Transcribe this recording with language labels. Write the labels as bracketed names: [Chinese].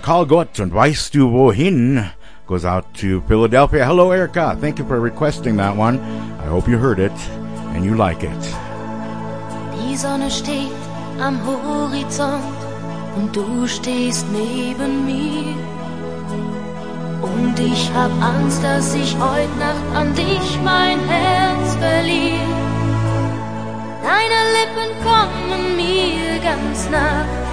[English] Call Gott und weißt du wohin goes out to Philadelphia. Hello, Erica. Thank you for requesting that one. I hope you heard it and you like it. [German] Die Sonne steht am Horizont und du stehst neben mir. Und ich hab Angst, dass ich heute Nacht an dich mein Herz verlier. Deine Lippen kommen mir ganz nah.